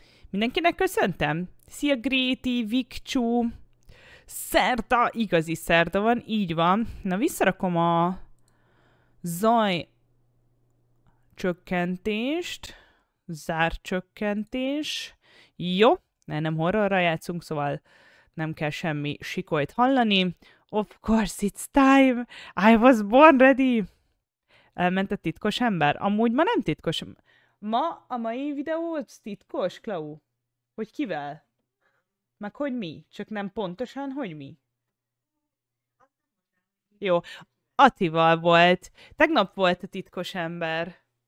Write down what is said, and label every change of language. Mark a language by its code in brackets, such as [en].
[hu] Mindenkinek köszöntem. Szia Gréti, Vikcsú, szerda, igazi szerda van, így van. Na visszarakom a zaj csökkentést, zár csökkentés. Jó, nem horrorra játszunk, szóval nem kell semmi sikolyt hallani. [en] Of course it's time, I was born ready. [hu] Elment a titkos ember? Amúgy ma nem titkos. Ma a mai videó titkos, Klau? Hogy kivel? Meg hogy mi? Csak nem pontosan, hogy mi? Jó, Atival volt. Tegnap volt a titkos ember.